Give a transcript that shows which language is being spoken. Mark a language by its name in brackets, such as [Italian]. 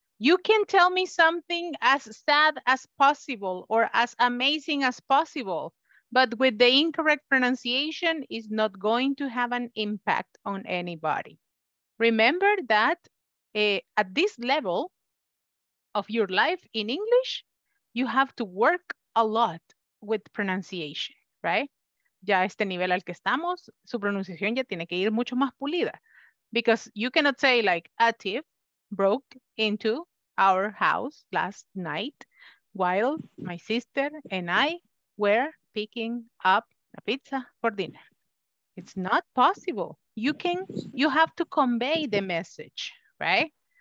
[English] You can tell me something as sad as possible or as amazing as possible, but with the incorrect pronunciation, it's not going to have an impact on anybody. Remember that at this level of your life in English, you have to work a lot with pronunciation, right? [Spanish] Ya este nivel al que estamos, su pronunciación ya tiene que ir mucho más pulida. [English] Because you cannot say like, a thief broke into our house last night while my sister and I were picking up a pizza for dinner. It's not possible. You have to convey the message, right?